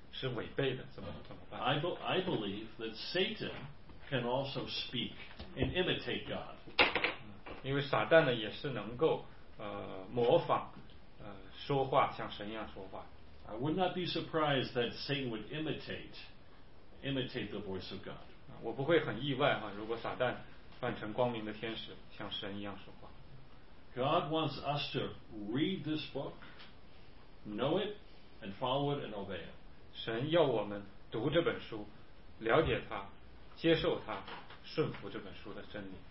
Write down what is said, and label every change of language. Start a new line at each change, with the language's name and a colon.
Chinese: 是违背的，怎么办
English: I believe that Satan can also speak and imitate God.
Chinese: 因为撒旦呢也是能够模仿说话，像神一样说话。
English: I would not be surprised that Satan would imitate the voice of God.
Chinese: 我不会很意外哈，如果撒旦扮成光明的天使，像神一样说话。
English: God wants us to read this book, know it, and follow it and obey it.
Chinese: 神要我们读这本书，了解它，接受它，顺服这本书的真理。